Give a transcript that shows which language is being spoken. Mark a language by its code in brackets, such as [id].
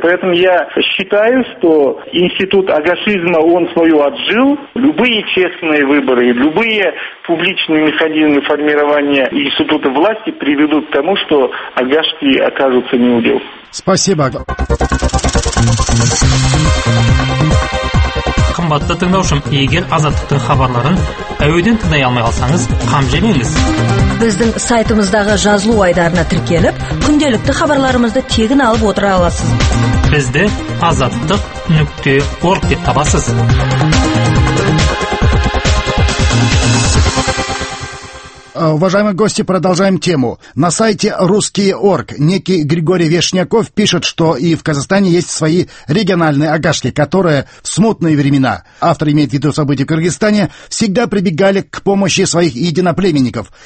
[ru] Поэтому я считаю, что институт агашизма, он свое отжил. Любые честные выборы, любые публичные механизмы формирования института власти приведут к тому, что агашки окажутся не у дел. Спасибо. [kk] Қымбатты тыңдаушым, егер азаттықтың хабарларын әуеден тыңдай алмай қалсаңыз, қам жемеңіз. Біздің сайтымыздағы жазылу айдарына тіркеліп, күнделікті хабарларымызды тегін алып отыра аласыз. Бізді azattik.org деп табасыз. [ru] Уважаемые гости, продолжаем тему. На сайте Русские.орг некий Григорий Вешняков пишет, что и в Казахстане есть свои региональные агашки, которые в смутные времена, автор имеет в виду события в Кыргызстане, всегда прибегали к помощи своих единоплеменников.